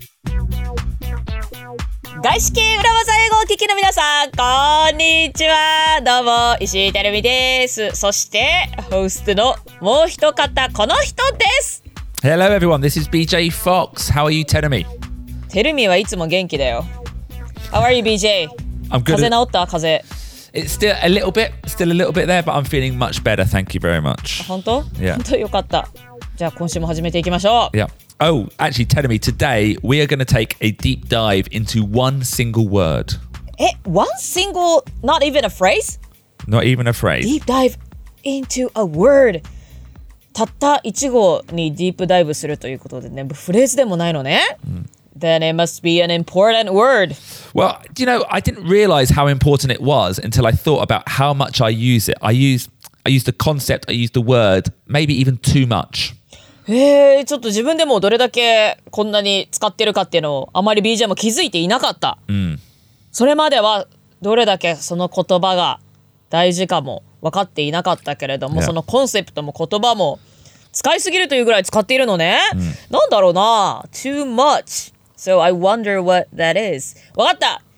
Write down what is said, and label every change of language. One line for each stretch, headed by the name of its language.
Japanese: 大好き裏技英語を聞きの皆さん、こんにちは。どうも石井てるみです。そしてホストのもう一方、この人です。
English: Hello everyone, this is BJ Fox. How are you, てるみ？
Japanese: てるみはいつも元気だよ。
English: How are you, BJ? I'm good.
Japanese: 風治った？風。
English: It's still a little bit there, but I'm feeling much better. Thank you very much.
Japanese: 本当？
English: Yeah.
Japanese: 本当よかった。じゃあ今週も始めていきましょう。
English: Yeah. Oh, actually, tell me, today we are going to take a deep dive into one single word. Eh, one single, not even a phrase? Not even a phrase. Deep dive into a word.
Japanese: たった一語にディープダイブするということでね、フレーズでもないのね。 Mm.
English: Then it must be an important word. Well, you know, I didn't realize how important it was until I thought about how much I use it. I use the concept, I use the word, maybe even too much.
Japanese: ちょっと自分でもどれだけこんなに使ってるかっていうのをあまり BJ も気づいていなかった、うん、それまではどれだけその言葉が大事かも分かっていなかったけれども、yeah. そのコンセプトも言葉も使いすぎるというぐらい使っているのね、うん、なんだろうな
English: Too much So I wonder what that is
Japanese: 分かった。